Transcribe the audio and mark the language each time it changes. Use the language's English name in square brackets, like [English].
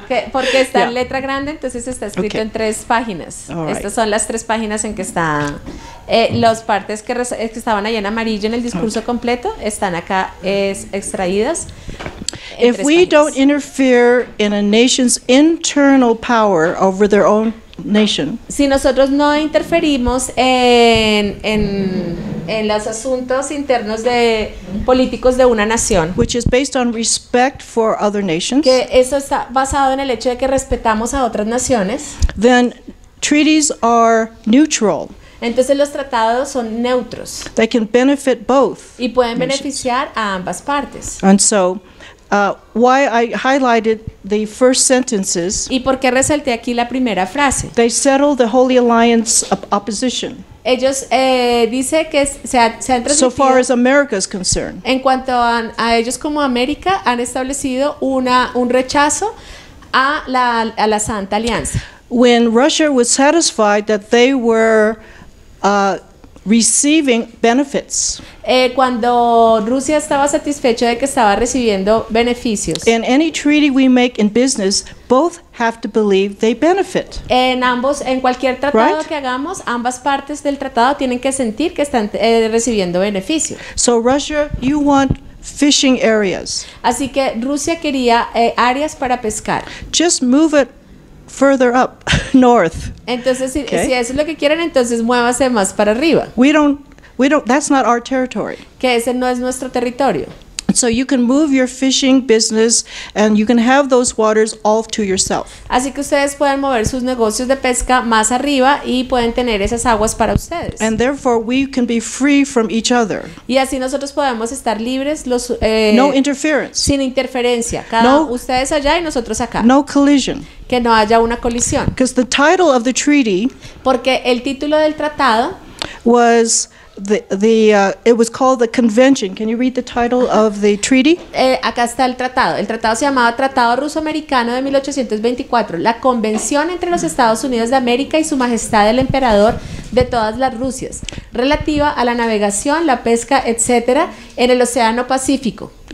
[Spanish] Porque está en letra grande, entonces está escrito en tres páginas. [English] Right. [Spanish] Estas son las tres páginas en que están las partes que estaban ahí en amarillo en el discurso completo están acá extraídas. [English] If we don't interfere in a nation's internal power over their own nation. [Spanish] Si nosotros no interferimos en los asuntos internos de políticos de una nación, [English] which is based on respect for other nations, [Spanish] que eso está basado en el hecho de que respetamos a otras naciones, [English] then treaties are neutral. [Spanish] Entonces los tratados son neutros. [English] They can benefit both. [Spanish] Y pueden beneficiar a ambas partes. [English] And so why I highlighted the first sentences. [Spanish] ¿Y por qué resalté aquí la primera frase? [English] They settled the Holy Alliance opposition. [Spanish] Ellos dice que se han transmitido. [English] So far as America is concerned. [Spanish] En cuanto a ellos como América, han establecido un rechazo a la Santa Alianza. [English] When Russia was satisfied that they were receiving benefits. [Spanish] Cuando Rusia estaba satisfecha de que estaba recibiendo beneficios. [English] In any treaty we make in business, both have to believe they benefit. [Spanish] En cualquier tratado que hagamos, ambas partes del tratado tienen que sentir que están recibiendo beneficios. [English] So Russia, you want fishing areas. [Spanish] Así que Rusia quería áreas para pescar. [English] Just move it further up north. [Spanish] Entonces, si eso es lo que quieren, entonces muévase más para arriba. [English] We don't. That's not our territory. [Spanish] Que ese no es nuestro territorio. [English] So you can move your fishing business, and you can have those waters all to yourself. [Spanish] Así que ustedes pueden mover sus negocios de pesca más arriba y pueden tener esas aguas para ustedes. [English] And therefore, we can be free from each other. [Spanish] Y así nosotros podemos estar libres. [English] No interference. [Spanish] Sin interferencia. Ustedes allá y nosotros acá. [English] No collision. [Spanish] Que no haya una colisión. [English] Because the title of the treaty. [Spanish] Porque el título del tratado [English] was. It was called the convention. Can you read the title of the treaty? [Spanish] Acá está el tratado. El tratado se llamaba Tratado Ruso-Americano de 1824. La convención entre los Estados Unidos de América y su majestad el emperador de todas las Rusias. Relativa a la navegación, la pesca, etcétera, en el Océano Pacífico.